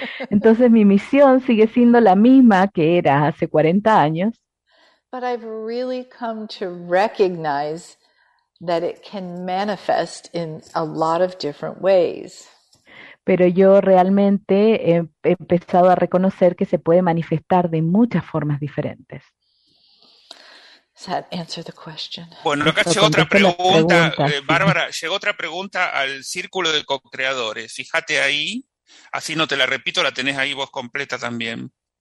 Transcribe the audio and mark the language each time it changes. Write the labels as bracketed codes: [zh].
[es] Entonces mi misión sigue siendo la misma que era hace 40 años. [en] But I've really come to recognize that it can manifest in a lot of different ways. [es] Pero yo realmente he empezado a reconocer que se puede manifestar de muchas formas diferentes. [en] Answer the question. [es] Bueno, acá llegó otra pregunta. Bárbara, llegó otra pregunta al círculo de co-creadores. Fíjate ahí, así no te la repito, la tenés ahí vos completa también.